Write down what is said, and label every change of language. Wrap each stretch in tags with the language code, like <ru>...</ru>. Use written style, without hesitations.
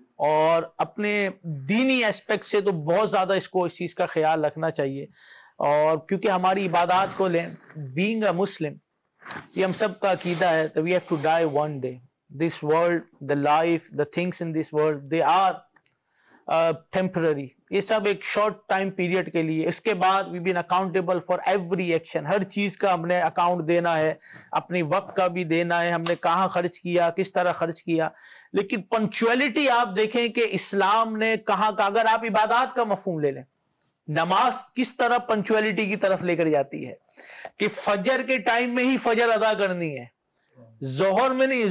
<ur>اور اپنے دینی اسپیکٹ سے تو بہت زیادہ اس کو اس چیز کا خیال رکھنا چاہیے. اور کیونکہ ہماری عبادات کو لیں,</ur> <en>being a Muslim</en> <ur>یہ ہم سب کا عقیدہ ہے, تو</ur> <en>We have to die one day. This world, the life, the things in this world, they are temporary.</en> <ur>یہ سب ایک شارٹ ٹائم پیریڈ کے لیے, اس کے بعد</ur> <en>We been accountable for every action.</en> <ur>ہر چیز کا ہم نے اکاؤنٹ دینا ہے, اپنی وقت کا بھی دینا ہے, ہم نے کہاں خرچ کیا, کس طرح خرچ کیا. لیکن پنکچوئلٹی آپ دیکھیں کہ اسلام نے کہاں کا, اگر آپ عبادات کا مفہوم لے لیں, نماز کس طرح پنکچوئلٹی کی طرف لے کر جاتی ہے کہ فجر کے ٹائم میں ہی فجر ادا کرنی ہے, ظہر میں نہیں.</ur>